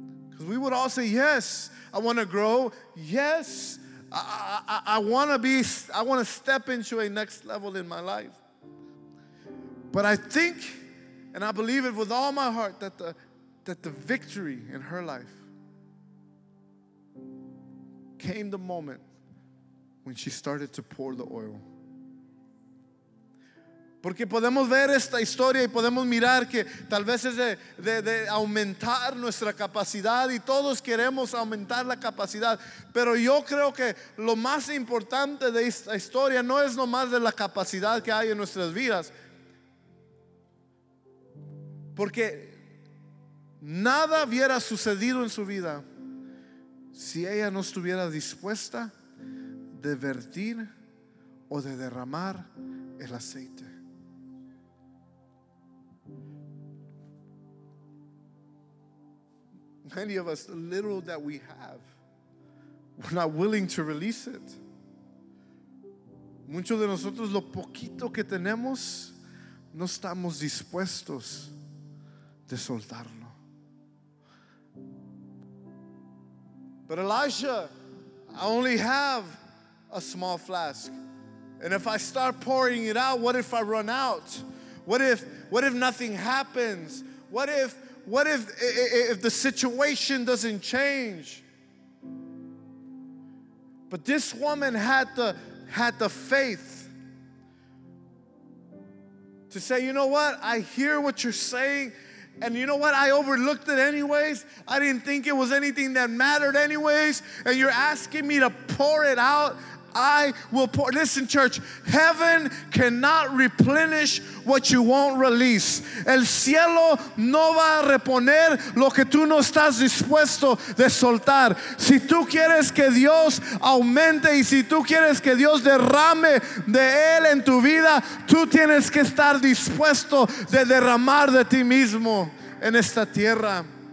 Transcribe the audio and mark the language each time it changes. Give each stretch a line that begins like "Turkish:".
English: Because we would all say, yes, I want to grow. Yes, I want to step into a next level in my life. But I think, and I believe it with all my heart, that the victory in her life came the moment when she started to pour the oil.
Spanish: Porque podemos ver esta historia y podemos mirar que tal vez es de aumentar nuestra capacidad y todos queremos aumentar la capacidad. Pero yo creo que lo más importante de esta historia no es nomás de la capacidad que hay en nuestras vidas. Porque nada hubiera sucedido en su vida si ella no estuviera dispuesta a de vertir o de derramar el aceite.
English: Many of us, the little that we have, we're not willing to release it.
Spanish: Muchos de nosotros, lo poquito que tenemos, no estamos dispuestos de soltarlo.
English: But Elijah, I only have a small flask. And if I start pouring it out, what if I run out? What if nothing happens? What if the situation doesn't change? But this woman had the faith to say, you know what? I hear what you're saying. And you know what? I overlooked it anyways. I didn't think it was anything that mattered anyways. And you're asking me to pour it out. I will pour. Listen, church, heaven cannot replenish what you won't release.
Spanish: El cielo no va a reponer lo que tú no estás dispuesto de soltar. Si tú quieres que Dios aumente y si tú quieres que Dios derrame de Él en tu vida, tú tienes que estar dispuesto de derramar de ti mismo en esta tierra.